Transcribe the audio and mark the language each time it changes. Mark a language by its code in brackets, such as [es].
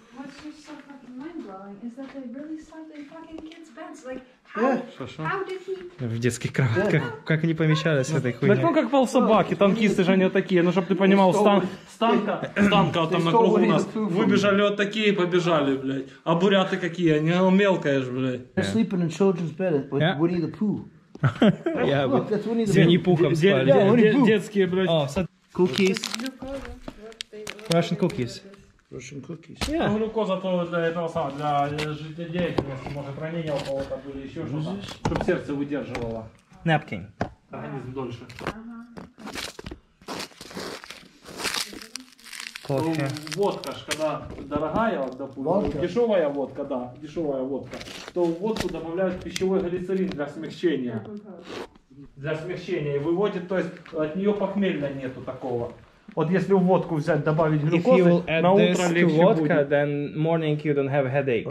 [en] What's just so fucking mind-blowing is that they really slept in fucking kids' beds. How did he... [ru] В детских кроватках. [en] Yeah. [ru] Как они помещались в этой хуйне? Так ну как полсобаки, танкисты же они вот такие. Ну чтоб ты понимал, станка вот там на кругу у нас. Выбежали вот такие, побежали, блядь. А буряты какие, они мелкая же, блядь. [en] They're sleeping in children's bed with Winnie the Pooh. Yeah, look, that's Winnie the Pooh. [ru] Свиньи пухом спали. [en] Yeah, [ru] детские, блядь. [en] Oh, cookies. Russian cookies. Russian cookies. Yeah. [ru] Ну, глюкоза то для этого самого, для жизнедеятельности, может, ранения у кого-то были, еще что-то. Чтоб сердце выдерживало. [en] Napkin. [ru] Организм дольше. Кофе. Водка ж, когда дорогая, вот, допустим, дешевая водка, да, дешевая водка, то в водку добавляют пищевой глицерин для смягчения. для смягчения и выводит, то есть от нее похмелья нету такого. Вот если в водку взять, добавить глюкозы, на утро легче будет. [en] Vodka, then morning you don't have a headache.